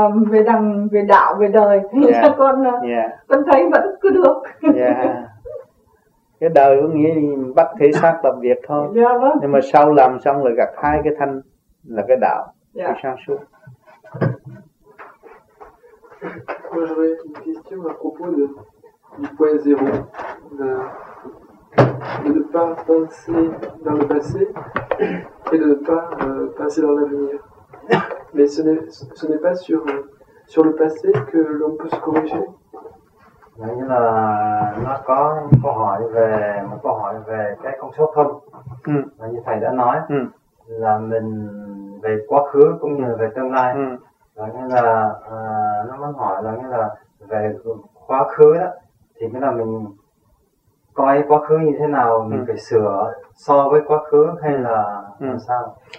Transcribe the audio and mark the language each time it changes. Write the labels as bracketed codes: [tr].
[vi] Về đằng, về đạo, về đời thì con con thấy vẫn cứ được. Cái đời có nghĩa là bắt thể xác làm việc thôi. Nhưng mà sau làm xong là gặp hai cái thanh là cái đạo, cái sáng suốt. [fr] Moi j'avais une question à propos de, du point zéro, de ne pas penser dans le passé et de ne pas penser dans l'avenir. Mais ce n'est pas sur, sur le passé que l'on peut se corriger. [vi] Nghĩa là nó có câu hỏi về một câu hỏi về cái công suất không. Và như thầy đã nói là mình về quá khứ cũng như về tương lai. Nghĩa là nó muốn hỏi là nghĩa là về quá khứ đó, thì nghĩa là mình coi quá khứ như thế nào, mình phải sửa so với quá khứ hay là sao?